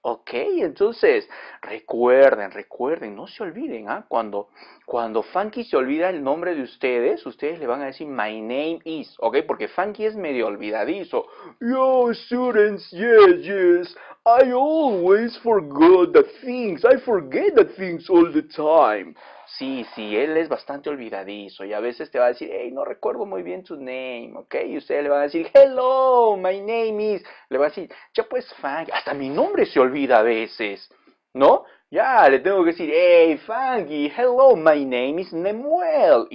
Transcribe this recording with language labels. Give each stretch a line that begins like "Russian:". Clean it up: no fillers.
Spanish: Okay, entonces, recuerden, recuerden, no se olviden, ¿ah? ¿Eh? Cuando Funky se olvida el nombre de ustedes, ustedes le van a decir,
English: My name is,
Spanish: ¿ok? Porque Funky es medio olvidadizo. Yo,
English: students, yes. I always forget the things. I forget the things all the time.
Spanish: Sí, él es bastante olvidadizo y a veces te va a decir, hey, no recuerdo muy bien tu name, ¿ok? Y ustedes le van a decir,
English: hello, my name is.
Spanish: Le va a decir, ya pues, Funky, hasta mi nombre se olvida a veces, ¿no? Ya, le tengo que decir, hey, Fangy,
English: hello, my name is
Spanish: Nemuel.